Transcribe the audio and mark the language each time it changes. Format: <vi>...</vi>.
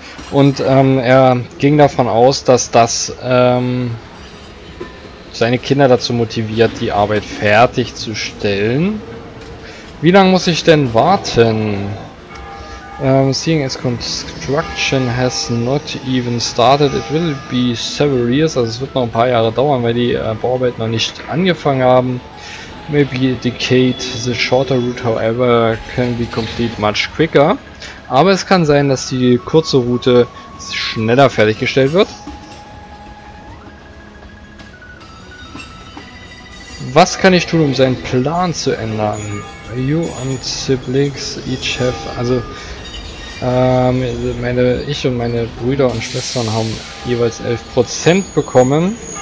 <de>Und er ging davon aus, dass das seine Kinder dazu motiviert, die Arbeit fertigzustellen. Wie lange muss ich denn warten?</de> <en>Seeing as construction has not even started, it will be several years.</en> <de>Also es wird noch ein paar Jahre dauern, weil die Bauarbeiten noch nicht angefangen haben.</de> <en>Maybe a decade. The shorter route, however, can be complete much quicker.</en> <de>Aber es kann sein, dass die kurze Route schneller fertiggestellt wird. Was kann ich tun, um seinen Plan zu ändern?</de> <en>You and siblings each have...</en> <de>Also, ich und meine Brüder und Schwestern haben jeweils 11% bekommen.</de>